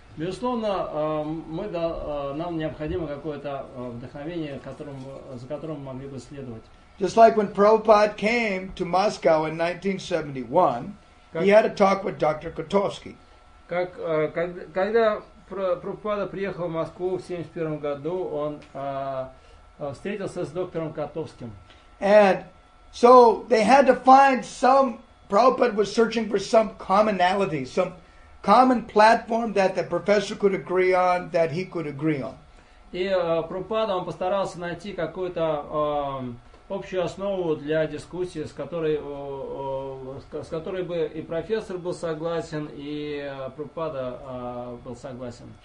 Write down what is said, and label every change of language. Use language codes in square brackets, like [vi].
[ru] Безусловно, нам необходимо какое-то вдохновение, за которым мы могли бы следовать. [en] Just like when Prabhupada came to Moscow in 1971, he had a talk with Dr. Kotovsky. [ru] Как когда Прабхупада приехал в Москву в 71 году, он встретился с доктором Котовским. [en] And so they had to find some. Prabhupada was searching for some commonality, some common platform that the professor could agree on, that he could agree on. [ru] И Прабхупада он постарался найти какую-то общую основу для дискуссии, с которой бы и профессор был согласен, и Прабхупада был согласен.